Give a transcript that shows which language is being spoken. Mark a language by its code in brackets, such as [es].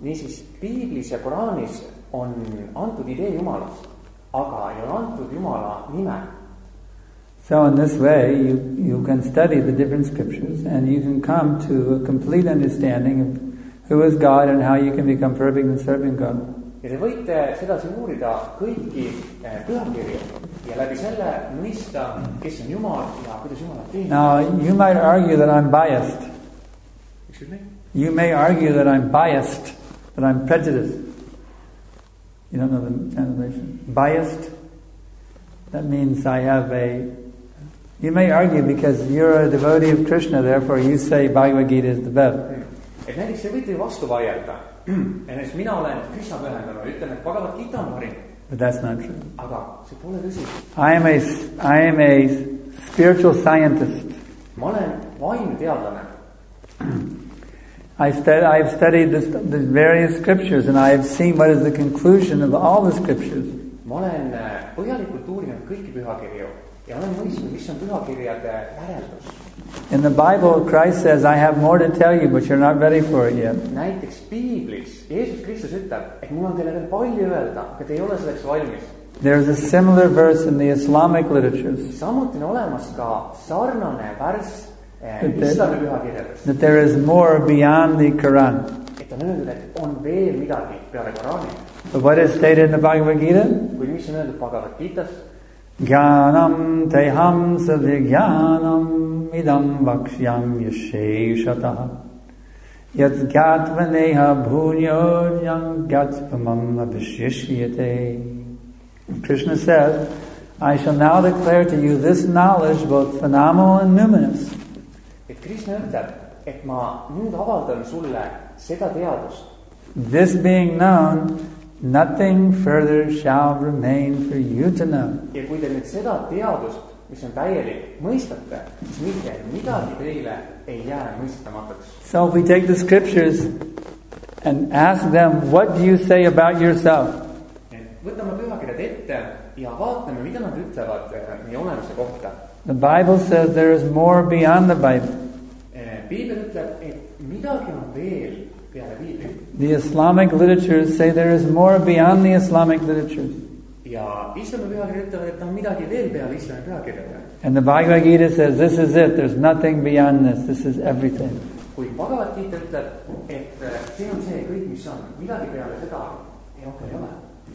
[et] Nii siis, Biiblis ja Koraanis on antud idee Jumalast, aga ei ole antud Jumala nime. [en] So in this way, you can study the different scriptures and you can come to a complete understanding of who is God and how you can become perfect in serving God. [et] Ja te võite sedasi uurida kõiki pühakirja ja läbi selle mõista, kes on Jumal ja kuidas Jumal teeb. [en] Now, you might argue that I'm biased. Excuse me? You may argue that I'm biased, that I'm prejudiced. You don't know the translation. Biased? That means I have a... You may argue because you're a devotee of Krishna, therefore you say Bhagavad Gita is the best. [et] Et näiteks te võite vastu vajelda. Enes mina olen Krishna pühendanu, ütlen, et Bhagavad Gita on parim. [en] But that's not true. [et] Aga see pole tõsi. [en] I am a spiritual scientist. [et] Ma olen vaim teadlane. [en] I've studied the various scriptures and I have seen what is the conclusion of all the scriptures. [et] Ma olen põhjalikult uurinud kõiki pühakirju. Ja olen mõistnud, mis on pühakirjade järeldus. [en] In the Bible, Christ says, I have more to tell you, but you're not ready for it yet. [et] Näiteks Biiblis, Jeesus Kristus ütleb, et mul on teile veel palju öelda, aga te ei ole selleks valmis. [en] There is a similar verse in the Islamic literatures. [et] Samuti on olemas ka sarnane värs islami pühakirjades. [en] That there is more beyond the Quran. [et] Et on öeldud, et on veel midagi peale Korani. [en] But what is stated in the Bhagavad Gita? [et] Kui mis on öeldud Bhagavad Gitas? [sa] Jnanam teham savijnanam idam vakshyam yasheshatah yat gatvaneha bhunyo yam gatvamam avishyate. [en] Krishna says, I shall now declare to you this knowledge both phenomenal and numinous. [et] Et Krishna ütleb, et ma nüüd avaldan sulle seda teadust. [en] This being known, nothing further shall remain for you to know. [et] Ja kui te nüüd seda teadust mis on täielik, mõistate, siis mitte midagi teile ei jää mõistamatuks. [en] So if we take the scriptures and ask them, what do you say about yourself? [et] Võtame pühakirjad ette ja vaatame, mida nad ütlevad meie olemuse kohta. [en] The Bible says there is more beyond the Bible. [et] Biblia ütleb, et midagi on veel peale Biblia. [en] The Islamic literatures say there is more beyond the Islamic literatures. [et] Ja Islami pühakirjad ütlevad, et on midagi veel peale Islami pühakirjad. [en] And the Bhagavad Gita says, this is it, there's nothing beyond this, this is everything. [et] Kui Bhagavad Gita ütleb, et see on see kõik, mis on, midagi peale seda ei okay, ole.